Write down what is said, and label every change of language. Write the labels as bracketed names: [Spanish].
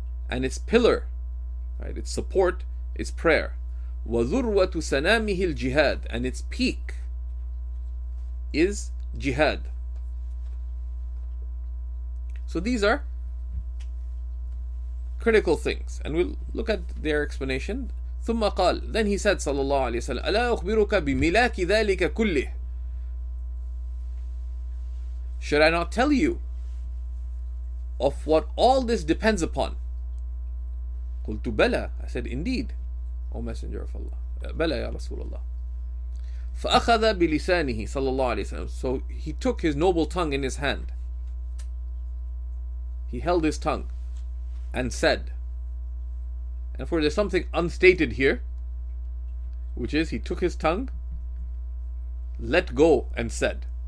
[English] And its pillar, right, its support, is prayer. [Arabic] وذروة سنامه الجهاد. [English] And its peak is jihad. So these are critical things. And we'll look at their explanation. [Arabic] ثم قال, [English] then he said [Arabic] صلى الله عليه وسلم, ألا أخبرك بملاك ذلك كله. [English] Should I not tell you of what all this depends upon? [Arabic] قلت بلى. [English] I said, indeed, O Messenger of Allah. [Arabic] بلى يا رسول الله. فأخذ بلسانه صلى الله عليه وسلم. [English] So he took his noble tongue in his hand. He held his tongue and said, and for there's something unstated here, which is he took his tongue, let go, and said.